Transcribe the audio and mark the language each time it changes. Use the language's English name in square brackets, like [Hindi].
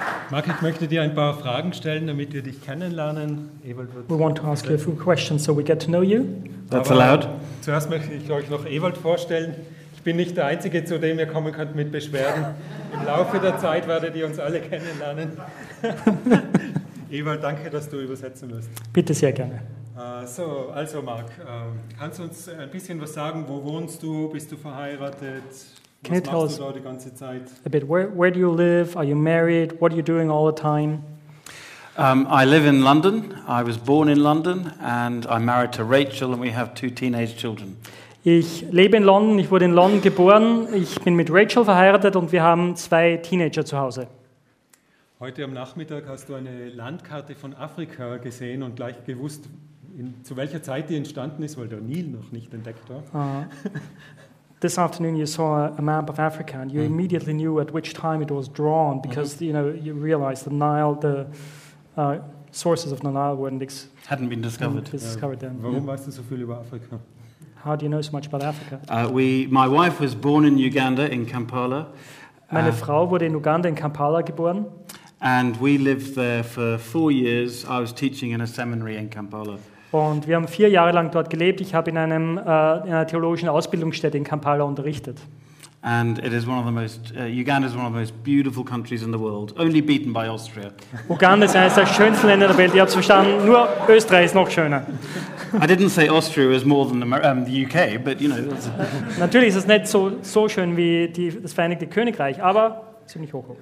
[German] Mark, ich möchte dir ein paar Fragen stellen, damit wir dich kennenlernen. Ewald wird. [English] We want to ask you a few questions so we get to know you. That's allowed. [German] Zuerst möchte ich euch noch Ewald vorstellen. Ich bin nicht der Einzige, zu dem ihr kommen könnt mit Beschwerden. Im Laufe der Zeit werdet ihr uns alle kennenlernen. Ewald, danke, dass du übersetzen wirst. Bitte sehr gerne. Also Mark, kannst du uns ein bisschen was sagen? Wo wohnst du? Bist du verheiratet? [English] Can you tell us a bit, where do you live? Are you married? What are you doing all the time? I live in London. I was born in London and I'm married to Rachel and we have two teenage children. [German] Ich lebe in London. Ich wurde in London geboren. Ich bin mit Rachel verheiratet und wir haben zwei Teenager zu Hause. Heute am Nachmittag hast du eine Landkarte von Afrika gesehen und gleich gewusst, zu welcher Zeit die entstanden ist, weil der Nil noch nicht entdeckt war. [English] This afternoon you saw a map of Africa and you immediately knew at which time it was drawn because you know you realized the Nile, the sources of the Nile hadn't been discovered then. [German] Warum weißt du so viel über Afrika? [English] How do you know so much about Africa? My wife was born in Uganda in Kampala. [German] Meine Frau wurde in Uganda in Kampala geboren. [English] And we lived there for 4 years. I was teaching in a seminary in Kampala. [German] Und wir haben 4 Jahre lang dort gelebt. Ich habe in einer theologischen Ausbildungsstätte in Kampala unterrichtet. [English] And it is one of the most Uganda is one of the most beautiful countries in the world, only beaten by Austria. [German] Uganda ist eines der schönsten Länder der Welt. Ich habe es verstanden. Nur Österreich ist noch schöner. [English] I didn't say Austria is more than the UK, but you know. [German] Natürlich ist es nicht so schön wie das Vereinigte Königreich, aber ziemlich hoch.